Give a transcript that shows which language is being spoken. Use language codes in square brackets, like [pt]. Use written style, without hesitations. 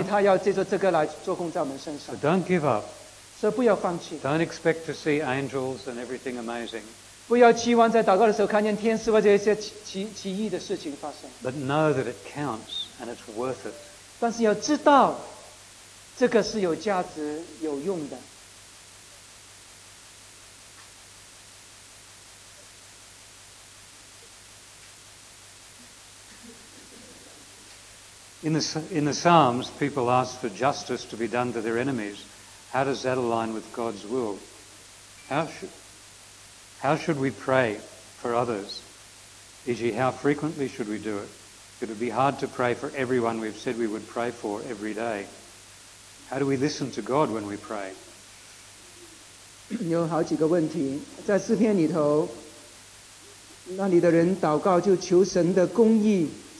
[zh] 但神都是一直来鼓励我们继续下去，因为他要借着这个来做工在我们身上。 [en] So don't give up. [zh] 所以不要放弃。 [en] Don't expect to see angels and everything amazing. [zh] 不要期望在祷告的时候看见天使或者一些奇异的事情发生。 [en] But know that it counts and it's worth it. [zh] 但是要知道，这个是有价值、有用的。 [en] In the Psalms, people ask for justice to be done to their enemies. How does that align with God's will? How should we pray for others? E.g., how frequently should we do it? It would be hard to pray for everyone we've said we would pray for every day. How do we listen to God when we pray? [zh] 有好几个问题，在诗篇里头，那里的人祷告就求神的公义。